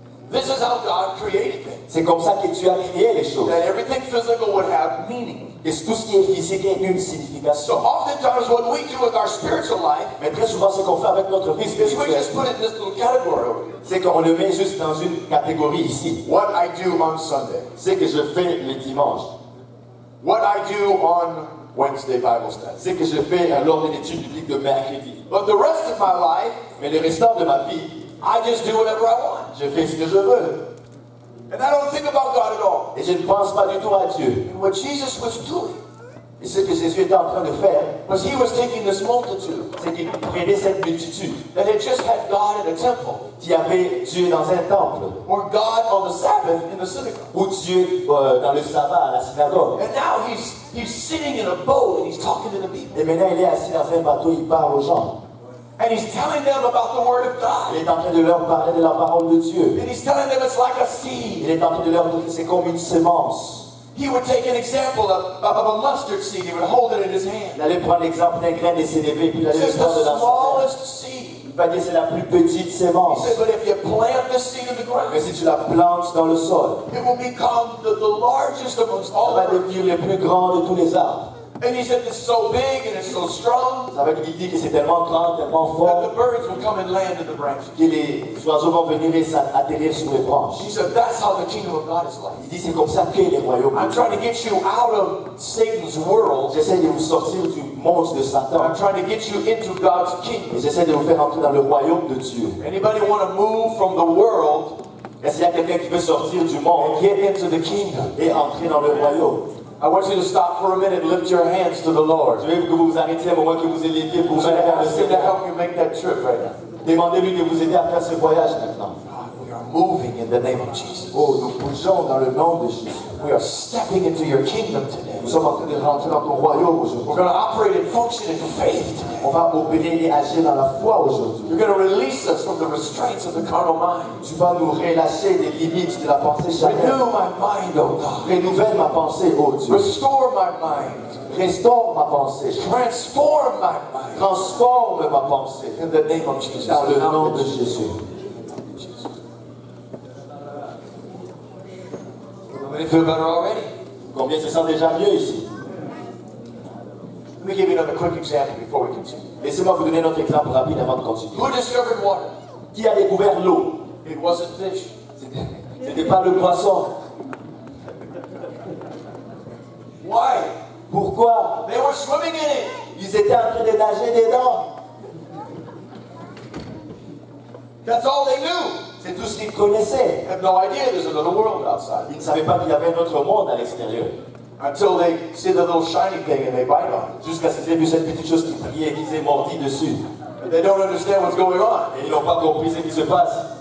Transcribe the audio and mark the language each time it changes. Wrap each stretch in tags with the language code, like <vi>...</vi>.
<en>This is how God created things.</en> <fr>C'est comme ça que Dieu a créé les choses.</fr> <en>That everything physical would have meaning.</en> <fr>Et tout ce qui est physique a une signification.</fr> <en>So oftentimes what we do with our spiritual life,</en> <fr>mais très souvent ce qu'on fait avec notre vie spirituelle,</fr> <en>is we just put it in this little category.</en> <fr>C'est qu'on le met juste dans une catégorie ici.</fr> <en>What I do on Sunday.</en> <fr>C'est que je fais le dimanche.</fr> <en>What I do on Wednesday Bible study.</en> <fr>C'est que je fais lors de l'étude biblique de mercredi.</fr> <en>But the rest of my life,</en> <fr>mais le restant de ma vie,</fr> <en>I just do whatever I want.</en> <fr>Je fais ce que je veux.</fr> <en>And I don't think about God at all.</en> <fr>Et je ne pense pas du tout à Dieu.</fr> <en>And what Jesus was doing,</en> <fr>et ce que Jésus était en train de faire,</fr> <en>was he was taking this multitude,</en> <fr>c'est qu'il prenait cette multitude,</fr> <en>that had just had God in a temple,</en> <fr>qui avait Dieu dans un temple,</fr> <en>or God on the Sabbath in the synagogue,</en> <fr>ou Dieu dans le sabbat à la synagogue.</fr> <en>And now he's sitting in a boat and he's talking to the people.</en> <fr>Et maintenant il est assis dans un bateau, il parle aux gens.</fr> <en>And he's telling them about the word of God.</en> <fr>Il est en train de leur parler de la parole de Dieu.</fr> <en>And he's telling them it's like a seed.</en> <fr>Il est en train de leur dire que c'est comme une semence.</fr> <en>He would take an example of a mustard seed. He would hold it in his hand.</en> <fr>Il allait prendre l'exemple d'un grain de CDV, puis il allait le prendre dans sa main.</fr> <en>It's the smallest seed.</en> <fr>Il va dire c'est la plus petite semence.</fr> <en>He said, but if you plant this seed in the ground,</en> <fr>mais si tu la plantes dans le sol,</fr> <en>it will become the largest amongst all of them.</en> <fr>Ça va devenir le plus grand de tous les arbres.</fr> <en>And he said, it's so big and it's so strong.</en> <fr>Ça veut dire que c'est tellement grand, tellement fort.</fr> <en>That the birds will come and land in the branches.</en> <fr>Que les oiseaux vont venir et atterrir sur les branches.</fr> <en>He said, that's how the kingdom of God is like.</en> <fr>Il dit, c'est comme ça qu'est le royaume.</fr> <en>I'm trying to get you out of Satan's world.</en> <fr>J'essaie de vous sortir du monde de Satan.</fr> <en>I'm trying to get you into God's kingdom.</en> <fr>Et j'essaie de vous faire entrer dans le royaume de Dieu.</fr> <en>Anybody want to move from the world?</en> <fr>Est-ce qu'il y a quelqu'un qui veut sortir du monde?</fr> <en>And get into the kingdom.</en> <fr>Et entrer dans le royaume.</fr> <en>I want you to stop for a minute and lift your hands to the Lord.</en> <fr>Je veux que vous vous arrêtiez, moi que vous ayez pied pour vous aider à faire ce voyage.</fr> <en>Help you make that trip right now.</en> <fr>Demandez-lui de vous aider à faire ce voyage maintenant.</fr> <en>God, we are moving in the name of Jesus.</en> <fr>Oh, nous bougeons dans le nom de Jésus.</fr> <en>We are stepping into your kingdom today.</en> <fr>Nous sommes en train de rentrer dans ton royaume aujourd'hui.</fr> <en>We're going to operate and function in faith today.</en> <fr>On va opérer et agir dans la foi aujourd'hui.</fr> <en>You're going to release us from the restraints of the carnal mind.</en> <fr>Tu vas nous relâcher des limites de la pensée charnelle.</fr> <en>Renew my mind, oh God.</en> <fr>Renouvelle ma pensée, oh Dieu.</fr> <en>Restore my mind.</en> <fr>Restore ma pensée.</fr> <en>Transform my mind.</en> <fr>Transforme ma pensée.</fr> <en>In the name of Jesus.</en> <fr>Dans le nom de Jésus.</fr> <en>Many feel better already.</en> <fr>Combien se sent déjà mieux ici?</fr> <en>Let me give you another quick example before we continue.</en> <fr>Laissez-moi vous donner un autre exemple rapide avant de continuer.</fr> <en>Who discovered water?</en> <fr>Qui a découvert l'eau?</fr> <en>It wasn't fish.</en> <fr>C'était pas le poisson.</fr> <en>Why?</en> <fr>Pourquoi?</fr> <en>They were swimming in it.</en> <fr>Ils étaient en train de nager dedans.</fr> <en>That's all they knew.</en> <fr>C'est tout ce qu'ils connaissaient.</fr> <en>Had no idea there's another world outside.</en> <fr>Ils ne savaient pas qu'il y avait un autre monde à l'extérieur.</fr> <en>Until they see the little shiny thing and they bite on it.</en> <fr>Jusqu'à ce qu'ils aient vu cette petite chose qui brillait et qu'ils aient mordi dessus.</fr> <en>But they don't understand what's going on.</en> <fr>Et ils n'ont pas compris ce qui se passe.</fr>